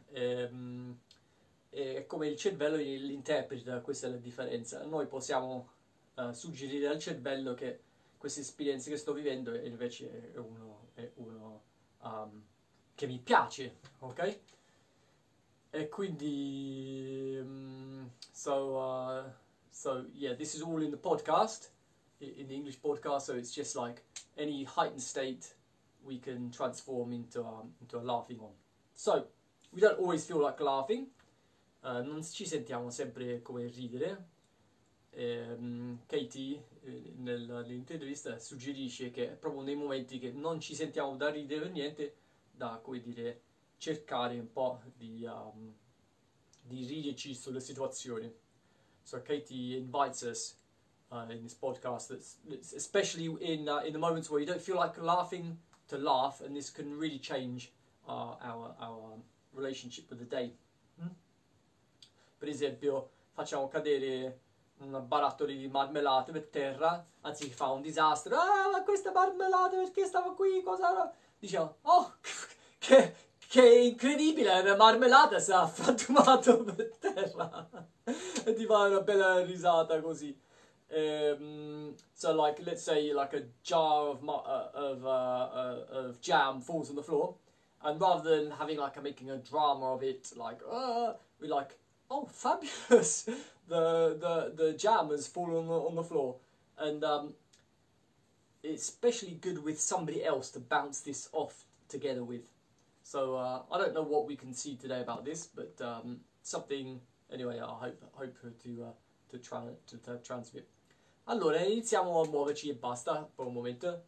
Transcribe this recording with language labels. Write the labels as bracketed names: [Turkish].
[Italian] È come il cervello l'interpreta, questa è la differenza. Noi possiamo suggerire al cervello che queste esperienze che sto vivendo invece è uno che mi piace, ok? E quindi [English] this is all in the podcast, in the English podcast, so it's just like any heightened state we can transform into a laughing one. So we don't always feel like laughing, [Italian] non ci sentiamo sempre come ridere. Katie nell'intervista suggerisce che proprio nei momenti che non ci sentiamo da ridere o niente, da, come dire, cercare un po' di riderci sulle situazioni. [English] So Katie invites us in this podcast, especially in the moments where you don't feel like laughing, to laugh, and this can really change our relationship with the day. [Italian] Per esempio, facciamo cadere una barattola di marmellate per terra, anzi fa un disastro. Ah, ma questa marmellata perché stava qui? Cosa era? Diciamo, oh, che incredibile, la marmellata si è frantumata per terra. E ti fa una bella risata così. [English] So like, let's say like a jar of jam falls on the floor, and rather than having like making a drama of it, like, we like, oh, fabulous, the jam has fallen on the floor. And it's especially good with somebody else to bounce this off together with. So I don't know what we can see today about this, but something, anyway, I hope to transmit. [Italian] Allora, iniziamo a muoverci e basta per un momento.